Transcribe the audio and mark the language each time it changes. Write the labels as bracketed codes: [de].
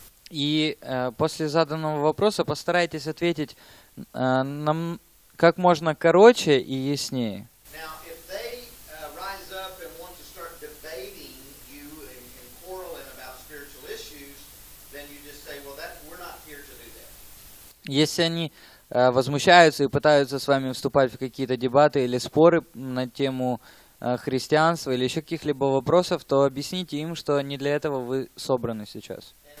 [ru] И после заданного вопроса постарайтесь ответить нам как можно короче и яснее. [en] Now, if they rise up and want to start debating you and quarreling about spiritual issues, then you just say, well, that we're not here to do that. [ru] Если они возмущаются и пытаются с вами вступать в какие-то дебаты или споры на тему христианства или еще каких-либо вопросов, то объясните им, что не для этого вы собраны сейчас.